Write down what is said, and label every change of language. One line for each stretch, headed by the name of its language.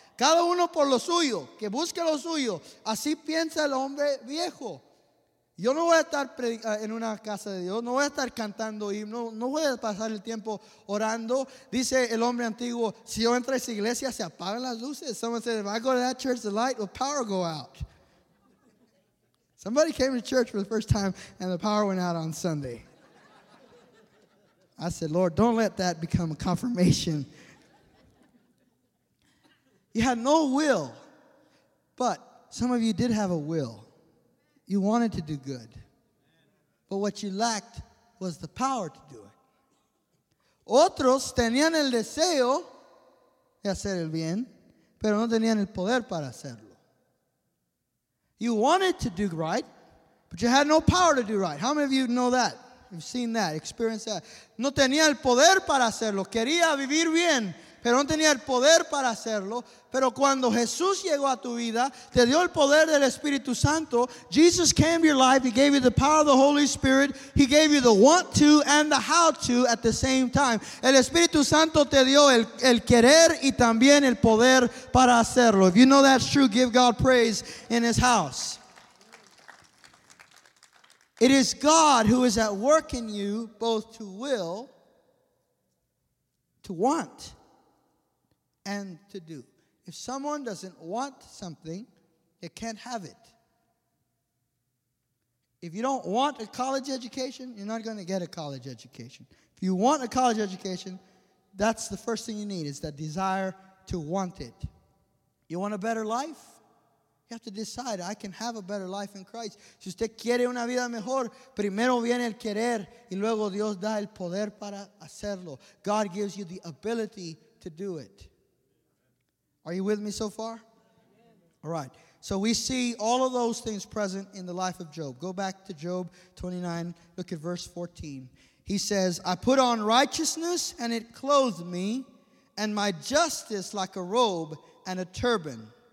Spanish: Cada uno por lo suyo. Que busque lo suyo. Así piensa el hombre viejo. Yo no voy a estar en una casa de Dios, no voy a estar cantando himnos, no voy a pasar el tiempo orando. Dice el hombre antiguo, si yo entro a esa iglesia, se apagan las luces.
English: Someone said, if I go to that church, the light will power go out. Somebody came to church for the first time and the power went out on Sunday. I said, Lord, don't let that become a confirmation. You had no will, but some of you did have a will. You wanted to do good, but what you lacked was the power to do it.
Spanish: Otros tenían el deseo de hacer el bien, pero no tenían el poder para hacerlo.
English: You wanted to do right, but you had no power to do right. How many of you know that? You've seen that, experienced that.
Spanish: No tenía el poder para hacerlo. Quería vivir bien, pero no tenía el poder para hacerlo. Pero cuando Jesús llegó a tu vida, te dio el poder del Espíritu Santo.
English: Jesus came to your life. He gave you the power of the Holy Spirit. He gave you the want to and the how to at the same time.
Spanish: El Espíritu Santo te dio el querer y también el poder para hacerlo.
English: If you know that's true, give God praise in his house. It is God who is at work in you both to will, to want, and to do. If someone doesn't want something, they can't have it. If you don't want a college education, you're not going to get a college education. If you want a college education, that's the first thing you need, is that desire to want it. You want a better life? You have to decide, I can have a better life in Christ.
Spanish: Si usted quiere una vida mejor, primero viene el querer y luego Dios da el poder para hacerlo.
English: God gives you the ability to do it. Are you with me so far? All right. So we see all of those things present in the life of Job. Go back to Job 29. Look at verse 14. He says, I put on righteousness and it clothed me, and my justice like a robe and a turban.